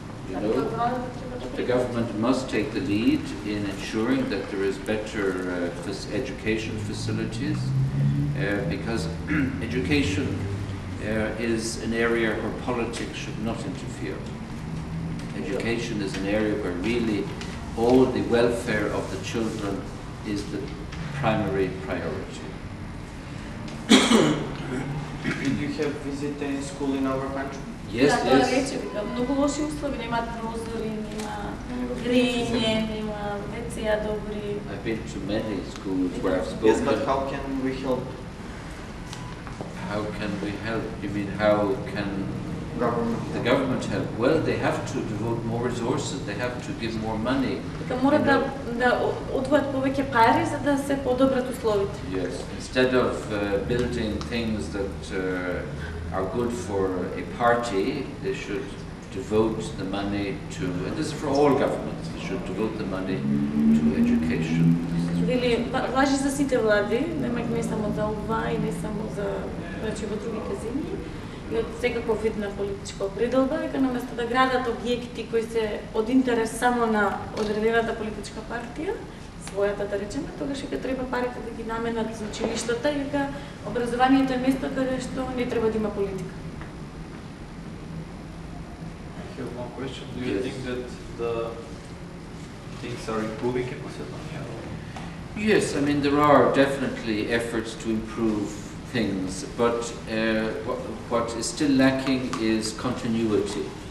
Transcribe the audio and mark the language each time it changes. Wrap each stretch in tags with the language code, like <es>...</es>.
<en>You know, the government must take the lead in ensuring that there is better education facilities, because education is an area where politics should not interfere. Education is an area where really all the welfare of the children is the primary priority. Did you have visited any school in our country? Yes,</en> <mk>да,</mk> <en>yes.</en> <mk>Многу лоши услови, нема прозори, нема грејење, нема вецеја добри.</mk> <en>I've been to many schools where I've spoken. Yes, but how can we help? How can we help? You mean how can government the government help? Well, they have to devote more resources, they have to give more money.</en> <mk>Дека мора да одвојат повеќе пари за да се подобрат условите.</mk> <en>Yes, instead of building things that are good for a party, they should devote the money to, and this is for all governments, they should devote the money to education.</en> <mk>Вели, важи за сите влади, не само за ова и не само за, значи, во другите земји, и од секаков вид на политичка определба, дека на место да градат објекти кои се од интерес само на одредената политичка партија, својата, да речеме, тогаш ќе треба парите да ги наменат за училиштата, и дека образованието е место каде што не треба да има политика.</mk> <en>I have one question. Do you think that the things are improving in Macedonia? Yes, I mean, there are definitely efforts to improve things, but what is still lacking is continuity.</en>